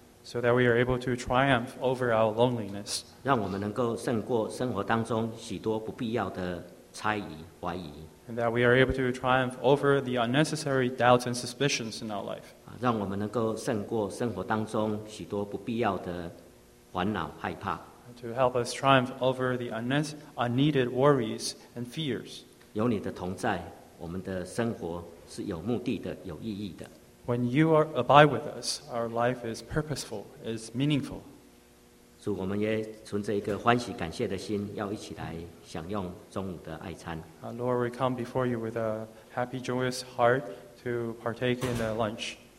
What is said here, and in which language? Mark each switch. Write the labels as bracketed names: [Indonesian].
[English] So that we are able to triumph over our loneliness. [Chinese] 让我们能够胜过生活当中许多不必要的猜疑怀疑。 [English] And that we are able to triumph over the unnecessary doubts and suspicions in our life. [Chinese] 让我们能够胜过生活当中许多不必要的烦恼害怕。 [English] To help us triumph over the unneeded worries and fears. [Chinese] 有你的同在, 我们的生活是有目的的, [English] when you are abide with us, our life is purposeful, is meaningful. [Chinese] 主我们也存着一个欢喜感谢的心, 要一起来享用中午的爱餐。 [English] Lord, we come before you with a happy, joyous heart to partake in the lunch.